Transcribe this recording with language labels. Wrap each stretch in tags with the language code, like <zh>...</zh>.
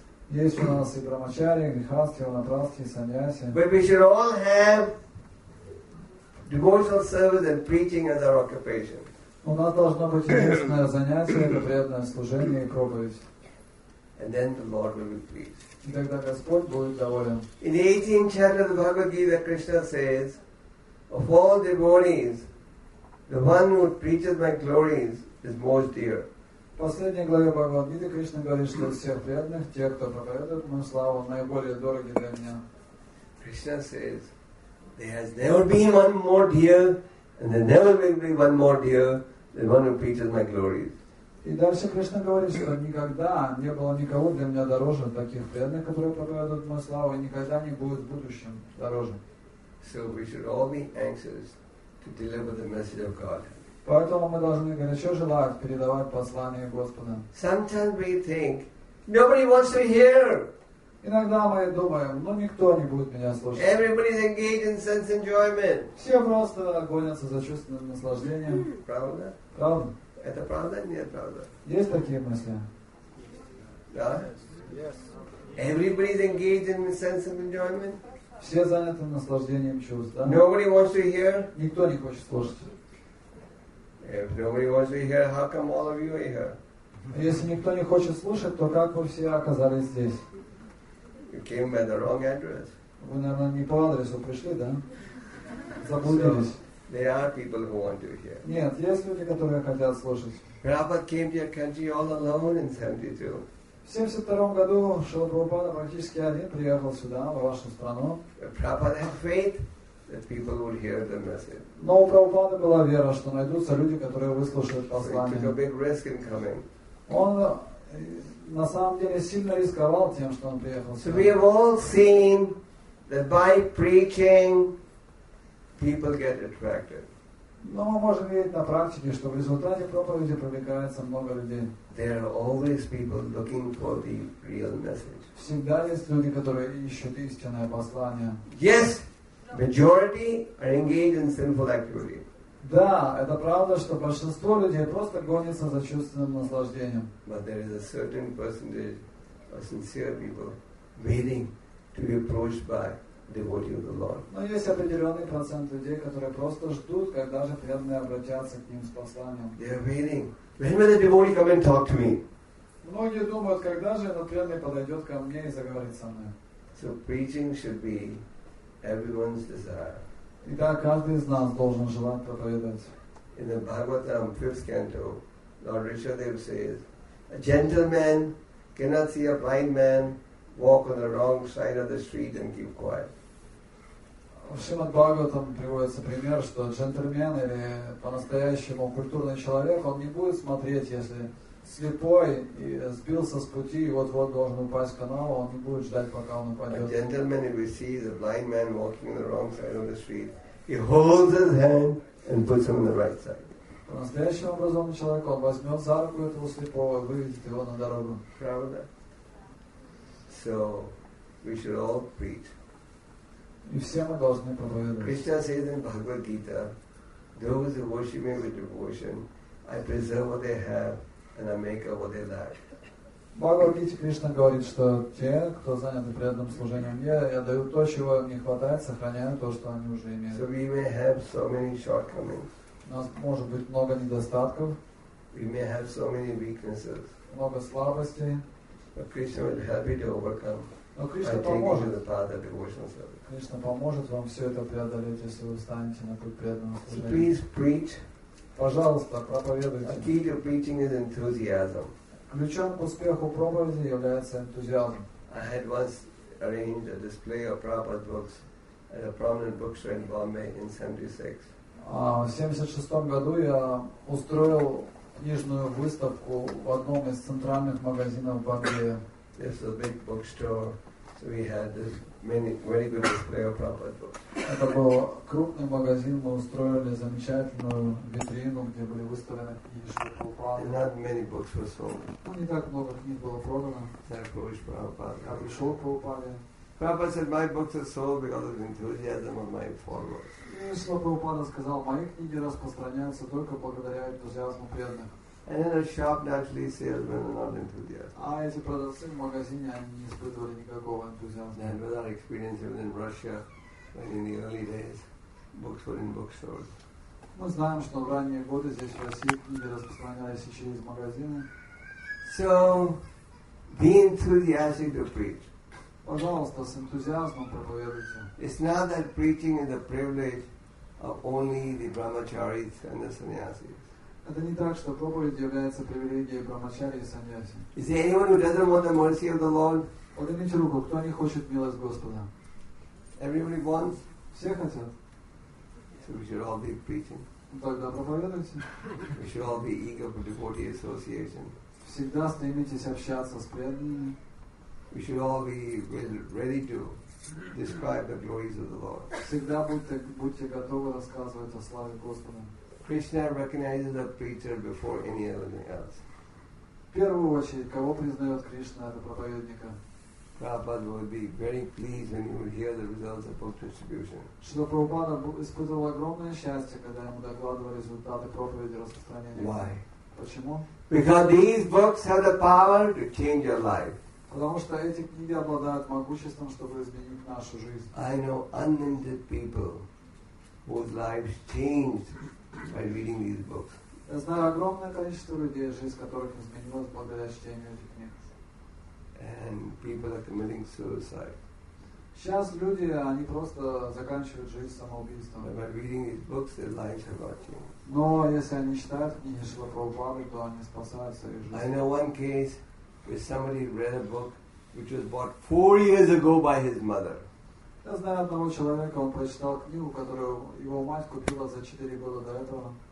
<ru>Есть у нас и брахмачари, и грихасты, и ванапрасты, и саньяси.</ru> <en>But we should all have devotional service and preaching as our occupation.</en> <ru>У нас должно быть единственное занятие, это преданное служение и проповедь.</ru> <en>And then the Lord will be pleased.</en> <ru>И тогда Господь будет доволен.</ru> <en>In the 18th chapter of the Bhagavad Gita, Krishna says, of all devotees, the one who preaches my glories is most dear.</en> <ru>В последней главе Бхагавад Гиты Кришна говорит, что всех преданных, тех, кто проповедует мою славу, наиболее дороги для меня.</ru> <en>Krishna says, there has never been one more dear, and there never will be one more dear than one who preaches my glories.</en> <ru>И дальше Кришна говорит, что никогда не было никого для меня дороже таких преданных, которые проповедуют мою славу, и никогда не будет в будущем дороже.</ru> <en>So we should all be anxious to deliver the message of God.</en> <ru>Поэтому мы должны горячо желать передавать послание Господа.</ru> <en>Sometimes we think nobody wants to hear.</en> <ru>Иногда мы думаем, но никто не будет меня слушать.</ru> <en>Everybody's engaged in sense enjoyment.</en> <ru>Все просто гонятся за чувственным наслаждением. Правда? Правда? Это правда? Нет, правда. Есть такие мысли? Да?</ru> <en>Yes. Everybody's engaged in sense of enjoyment.</en> <ru>Все заняты наслаждением чувств, да?</ru> <en>Nobody wants to hear.</en> <ru>Никто не хочет слушать.</ru> <en>If nobody wants to hear, how come all of you are here?</en> <ru>Если никто не хочет слушать, то как вы все оказались здесь?</ru> <en>You came by the wrong address.</en> <ru>Вы, наверное, не по адресу пришли, да? Заблудились.</ru> <en>So, there are people who want to hear.</en> <ru>Нет, есть люди, которые хотят слушать.</ru> <en>Prabhupada came to your country all alone in 72.</en> <ru>В 72-м году Шрила Прабхупада практически один приехал сюда, в вашу страну.</ru> <en>Prabhupada had faith that people would hear the message.</en> <ru>Но у Прабхупады была вера, что найдутся люди, которые выслушают послание.</ru> <en>So he took a big risk in coming.</en> <ru>Он на самом деле сильно рисковал тем, что он приехал сюда.</ru> <en>So we have all seen that by preaching people get attracted.</en> <ru>Но мы можем видеть на практике, что в результате проповеди привлекается много людей.</ru> <en>There are always people looking for the real message.</en> <ru>Всегда есть люди, которые ищут истинное послание.</ru> <en>Yes, majority are engaged in sinful activity.</en> <ru>Да, это правда, что большинство людей просто гонится за чувственным наслаждением.</ru> <en>But there is a certain percentage of sincere people waiting to be approached by devotee of the Lord.</en> <ru>Но есть определенный процент людей, которые просто ждут, когда же преданные обратятся к ним с посланием.</ru> <en>They are waiting. When will the devotee come and talk to me?</en> <ru>Многие думают, когда же этот преданный подойдет ко мне и заговорит со мной.</ru> <en>So preaching should be everyone's desire.</en> <ru>Итак, каждый из нас должен желать проповедовать.</ru> <en>In the Bhagavatam, 5th canto, Lord Rishadeva says, a gentleman cannot see a blind man walk on the wrong side of the street and keep quiet.</en> <ru>В Шримад Бхагаватам приводится пример, что джентльмен или по-настоящему культурный человек, он не будет смотреть, если слепой и сбился с пути и вот-вот должен упасть в канал, он не будет ждать, пока он упадет.</ru> <en>A gentleman, if he sees a blind man walking on the wrong side of the street, he holds his hand and puts him on the right side.</en> <ru>По-настоящему образованный человек, он возьмет за руку этого слепого и выведет его на дорогу. Правда?</ru> <en>So, we should all preach.</en> <ru>И все мы должны проповедовать.</ru> <en>Krishna says in Bhagavad Gita, those who worship me with devotion, I preserve what they have and I make up what they lack.</en> <ru>Bhagavad Gita Krishna говорит, что те, кто заняты преданным служением мне, я даю то, чего им не хватает, сохраняю то, что они уже имеют.</ru> <en>So we may have so many shortcomings.</en> <ru>У нас может быть много недостатков.</ru> <en>We may have so many weaknesses.</en> <ru>Много слабостей.</ru> <en>But Krishna will help you to overcome.</en> <ru>Но Кришна поможет.</ru> <en>The path of devotional service.</en> <ru>Кришна поможет вам все это преодолеть, если вы встанете на путь преданного служения.</ru> <en>So please preach.</en> <ru>Пожалуйста, проповедуйте.</ru> <en>A key to preaching is enthusiasm.</en> <ru>Ключом к успеху проповеди является энтузиазм.</ru> <en>I had once arranged a display of Prabhupada's books at a prominent bookstore in Bombay in 76.</en> <ru>В 76 году я устроил книжную выставку в одном из центральных магазинов Бомбея.</ru> <en>This was a big bookstore, so we had this many very good display of Prabhupada books.</en> <ru>Это был крупный магазин, мы устроили замечательную витрину, где были выставлены книжки Прабхупады.</ru> <en>And not many books were sold.</en> <ru>Ну, не так много книг было продано. Я пришел к Прабхупаде.</ru> <en>Prabhupada said, my books are sold because of the enthusiasm of my followers.</en> <ru>Шрила Прабхупада сказал, мои книги распространяются только благодаря энтузиазму преданных.</ru> <en>And in a shop, naturally, salesmen are not enthusiastic.</en> <ru>А если продавцы в магазине, они не испытывали никакого энтузиазма.</ru> <en>And with our experience in Russia, when in the early days, books were in bookstores.</en> <ru>Мы знаем, что в ранние годы здесь в России книги распространялись через магазины.</ru> <en>So, be enthusiastic to preach.</en> <ru>Пожалуйста, с энтузиазмом проповедуйте.</ru> <en>It's not that preaching is the privilege of only the brahmacharis and the sannyasis.</en> <ru>Это не так, что проповедь является привилегией брахмачари и саньяси.</ru> <en>Is there anyone who doesn't want the mercy of the Lord?</en> <ru>Поднимите руку, кто не хочет милость Господа?</ru> <en>Everybody wants?</en> <ru>Все хотят.</ru> <en>So we should all be preaching.</en> <ru>Тогда проповедуйте.</ru> <en>We should all be eager for devotee association.</en> <ru>Всегда стремитесь общаться с преданными.</ru> <en>We should all be ready to describe the glories of the Lord.</en> <ru>Всегда будьте готовы рассказывать о славе Господа.</ru> <en>Krishna recognizes a preacher before anything else.</en> <ru>В первую очередь, кого признает Кришна, это проповедника.</ru> <en>Prabhupada would be very pleased when he would hear the results of book distribution.</en> <ru>Шрила Прабхупада испытывал огромное счастье, когда ему докладывали результаты проповеди распространения.</ru> <en>Why?</en> <ru>Почему?</ru> <en>Because these books have the power to change your life.</en> <ru>Потому что эти книги обладают могуществом, чтобы изменить нашу жизнь.</ru> <en>I know unlimited people whose lives changed by reading these books.</en> <ru>Я знаю огромное количество людей, жизнь которых изменилась благодаря чтению этих книг.</ru> <en>And people are committing suicide.</en> <ru>Сейчас люди, они просто заканчивают жизнь самоубийством.</ru> <en>But by reading these books, their lives have not changed.</en> <ru>Но если они читают книги Шрила Прабхупады, то они спасают свою жизнь.</ru> <en>I know one case. If somebody read a book which was bought 4 years ago by his mother.</en> <ru>Я знаю одного человека, он прочитал книгу, которую его мать купила за 4 года до этого.</ru>